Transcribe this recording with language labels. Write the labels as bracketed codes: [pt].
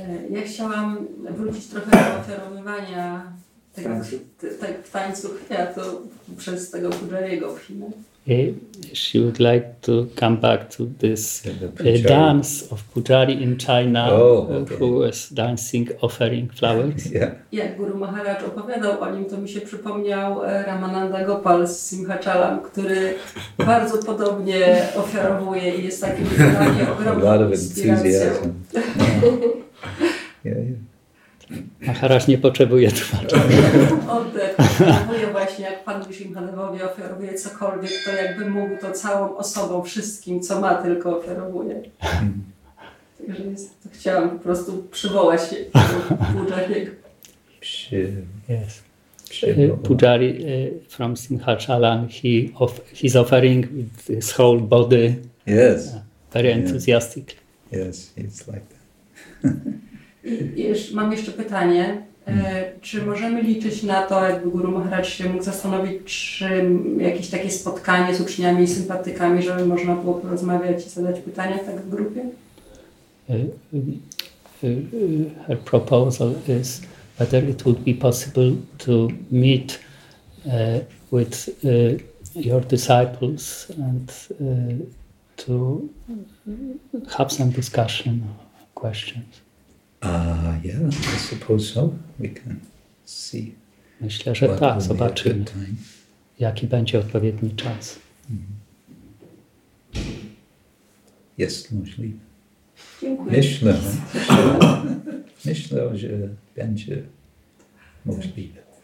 [pl] Ja chciałam wrócić trochę do ofiarowywania tego w tańcu kwiatu przez tego Pudżariego w Chinach. [en] She would like to come back to this dance of Pujari in China, who was dancing, offering flowers. Yeah. [pl] Jak Guru Maharaj opowiadał o nim, to mi się przypomniał Ramananda Gopal z Simhachalam, który bardzo podobnie ofiarowuje i jest takim ogromnym inspiracją. Maharaj nie potrzebuje tłumaczenia. Mówię właśnie, jak Pan Wishimhanowowi ofiaruje cokolwiek, to jakby mógł to całą osobą, wszystkim, co ma, tylko ofiaruje. Także to chciałam po prostu przywołać się do [en] Pujari from Simhachalam, he's offering his whole body. Yes. Very enthusiastic. Yes, it's like that. [pl] Mam jeszcze pytanie. Czy możemy liczyć na to, jakby Guru Maharaj się mógł zastanowić, czy jakieś takie spotkanie z uczniami i sympatykami, żeby można było porozmawiać i zadać pytania tak w grupie? [en] Her proposal is whether it would be possible to meet with your disciples and to have some discussion or questions. Yeah, I suppose so. We can see. [pl] Myślę, że tak, zobaczymy, jaki będzie odpowiedni czas. Jest możliwe. Dziękuję. Myślę, że będzie możliwe.